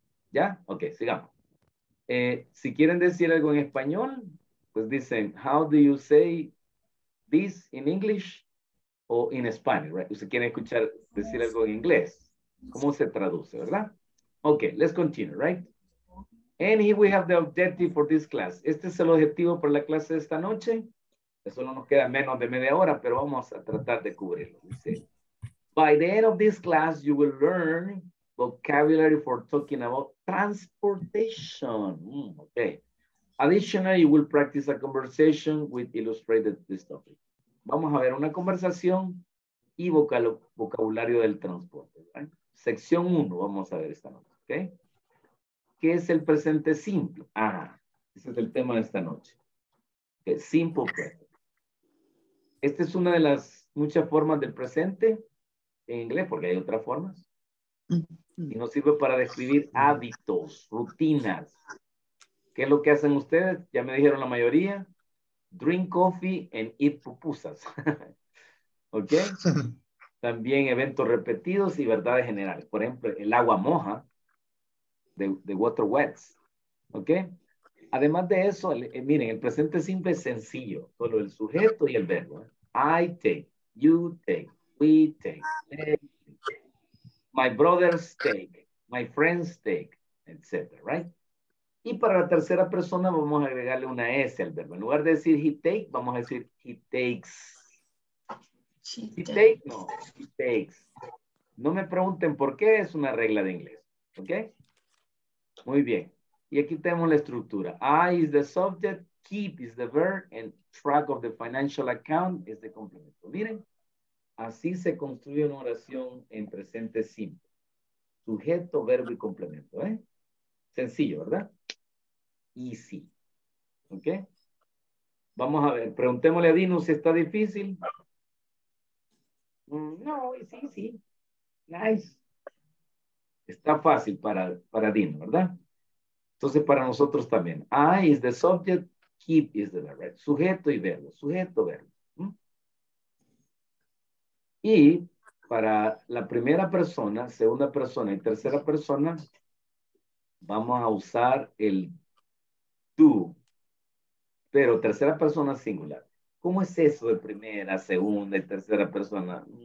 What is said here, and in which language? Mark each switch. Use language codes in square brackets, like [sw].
[es] ¿Ya? Ok, sigamos. Si quieren decir algo en español, pues dicen, [en] how do you say this in English [es] o [en] in Spanish, right? [es] Si quieren escuchar decir algo en inglés, ¿cómo se traduce, verdad? [en] Okay, let's continue, right? And here we have the objective for this class. [es] Este es el objetivo para la clase de esta noche. Solo nos queda menos de media hora, pero vamos a tratar de cubrirlo. [en] Dice, by the end of this class, you will learn vocabulary for talking about transportation. Okay. Additionally, you will practice a conversation with illustrated this topic. [es] Vamos a ver una conversación y vocabulario del transporte, right? Sección 1, vamos a ver esta noche. Okay. ¿Qué es el presente simple? Ah, ese es el tema de esta noche. Okay, simple present. Esta es una de las muchas formas del presente en inglés, porque hay otras formas. Y nos sirve para describir hábitos, rutinas. ¿Qué es lo que hacen ustedes? Ya me dijeron la mayoría. [en] Drink coffee and eat pupusas. [es] ¿Ok? También eventos repetidos y verdades generales. Por ejemplo, el agua moja. [en] The water wets. ¿Ok? [es] Además de eso, miren, el presente simple es sencillo. Solo el sujeto y el verbo. [en] I take, you take, we take, they take. My brothers take, my friends take, etc. Right? [es] Y para la tercera persona vamos a agregarle una S al verbo. En lugar de decir [en] he take, [es] vamos a decir [en] he takes. He takes. [es] No me pregunten por qué, es una regla de inglés. ¿Ok? Muy bien. Y aquí tenemos la estructura. [en] I is the subject, keep is the verb, and track of the financial account is the complemento. [es] Miren, así se construye una oración en presente simple. Sujeto, verbo y complemento. Sencillo, ¿verdad? Easy. ¿Ok? Vamos a ver, preguntémosle a Dino si está difícil. No, sí, sí. Nice. Está fácil para Dino, ¿verdad? Entonces, para nosotros también. [en] I is the subject, keep is the verb. [es] Right? Sujeto y verbo, sujeto, verbo. Y para la primera persona, segunda persona y tercera persona, vamos a usar el tú, pero tercera persona singular. ¿Cómo es eso de primera, segunda y tercera persona?